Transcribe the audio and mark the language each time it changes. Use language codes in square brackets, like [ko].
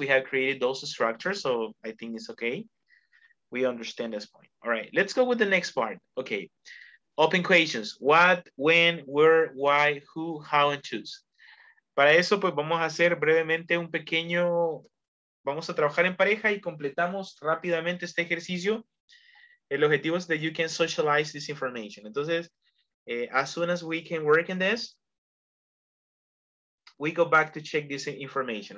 [en] We have created those structures, so I think it's okay. We understand this point. All right, let's go with the next part. Okay, open questions. What, when, where, why, who, how, and choose. [es] Para eso, pues vamos a hacer brevemente un pequeño, vamos a trabajar en pareja y completamos rápidamente este ejercicio. El objetivo es [en] that you can socialize this information. Entonces, as soon as we can work in this, we go back to check this information.